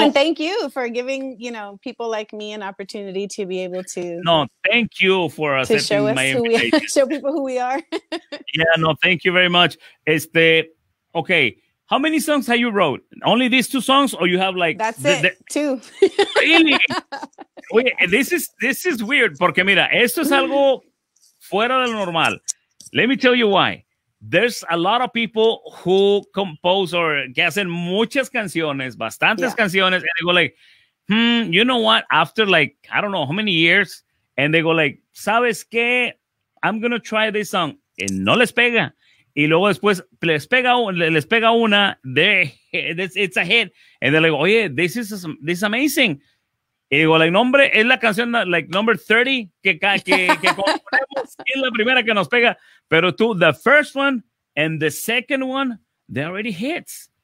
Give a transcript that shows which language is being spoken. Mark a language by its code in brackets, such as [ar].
[en] And thank you for giving, you know, people like me an opportunity to be able to. No, thank you for accepting my invitation. Show people who we are. Yeah, no, thank you very much. Okay. How many songs have you wrote? Only these two songs, or you have like two? Really? this is weird. [es] Porque mira, esto es algo fuera de lo normal. [en] Let me tell you why. There's a lot of people who compose or [es] que hacen muchas canciones, bastantes canciones, [en] and they go like, you know what? After like I don't know how many years, and they go like, [es] ¿sabes qué? [en] I'm gonna try this song, and [es] no les pega. Y luego después les pega una, [en] it's a hit. And they're like, oye, this is amazing. [es] Y digo, like, nombre, es la canción, like, [en] number 30 [es] que componemos. Es la primera que nos pega. Pero tú, [en] the first one and the second one, they're already hits.